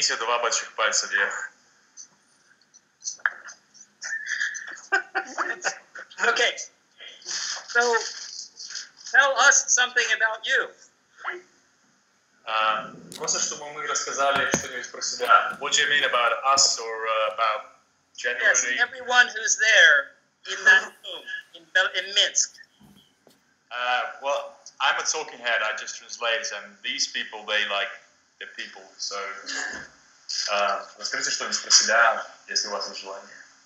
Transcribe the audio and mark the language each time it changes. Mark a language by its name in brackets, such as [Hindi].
[Russian] Поднимите два больших пальца вверх. [English] Okay. So, tell us something about you. Просто чтобы мы рассказали что-нибудь про себя. What do you mean about us or about generally? Yes, everyone who's there in that room in Minsk. Well, I'm a talking head. I just translate, and these people, they like the people. [Russian] So, расскажите что-нибудь про себя, если у вас есть желание.